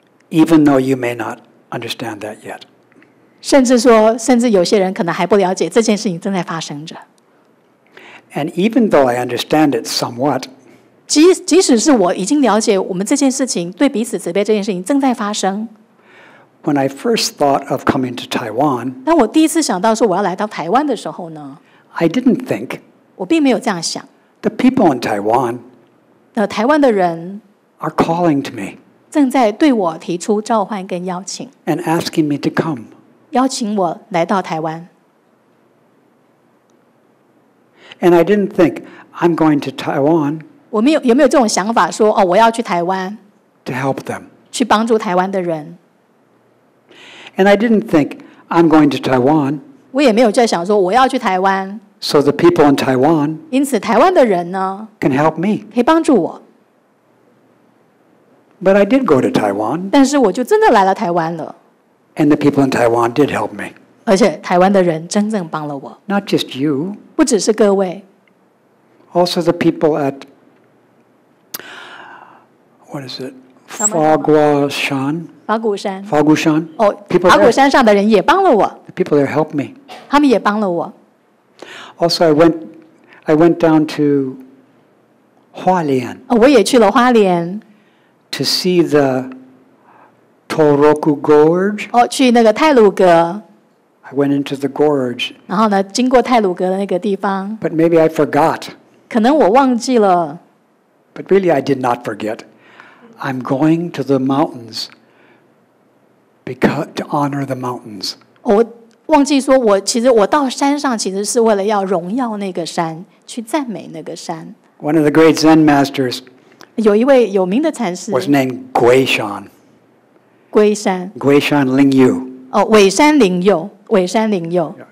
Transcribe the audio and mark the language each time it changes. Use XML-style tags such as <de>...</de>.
<en>Even though you may not understand that yet.</en> <zh>甚至说，甚至有些人可能还不了解这件事情正在发生着。</zh> <en>And even though I understand it somewhat.</en> <zh>即使是我已经了解我们这件事情，对彼此慈悲这件事情正在发生。</zh> <en>When I first thought of coming to Taiwan.</en> <zh>当我第一次想到说我要来到台湾的时候呢。</zh> <en>I didn't think.</en> <zh>我并没有这样想。</zh> <en>The people in Taiwan.</en> <zh>台湾的人。</zh> <en>Are calling to me.</en> <zh>正在对我提出召唤跟邀请</zh> <en>，and asking me to come，</en> <zh>邀请我来到台湾。</zh> <en>And I didn't think I'm going to Taiwan。</en> <zh>我没有有没有这种想法说哦，我要去台湾</zh> <en>，to help them，</en> <zh>去帮助台湾的人。</zh> <en>And I didn't think I'm going to Taiwan。</en> <zh>我也没有在想说我要去台湾</zh> <en>，so the people in Taiwan，</en> <zh>因此台湾的人呢</zh> <en>，can help me，</en> <zh>可以帮助我。</zh> <en>But I did go to Taiwan.</en> <zh>但是我就真的来了台湾了。</zh> <en>And the people in Taiwan did help me.</en> <zh>而且台湾的人真正帮了我。</zh> <en>Not just you.</en> <zh>不只是各位。</zh> <en>Also the people at what is it? Fagushan.</en> <zh>法鼓山。</zh> <en>Fagushan.</en> <zh>哦，法鼓山上的人也帮了我。</zh> <en>The people there helped me.</en> <zh>他们也帮了我。</zh> <en>Also, I went down to Hualien.</en> <zh>哦，我也去了花莲。</zh> <en>To see the Toroku Gorge.</en> <zh>哦，去那个泰鲁阁。</zh> <en>I went into the gorge.</en> <zh>然后呢，经过泰鲁阁的那个地方。</zh> <en>But maybe I forgot.</en> <zh>可能我忘记了。</zh> <en>But really, I did not forget. I'm going to the mountains because to honor the mountains.</en> <zh>我忘记说，我其实我到山上其实是为了要荣耀那个山，去赞美那个山。</zh> <en>One of the great Zen masters.</en> <zh>有一位有名的禅师</zh> <en>was named Guishan.</en> <zh>龟山</zh> <en>Guishan Lingyu.</en> <zh>哦，尾山灵佑，尾山灵佑</zh>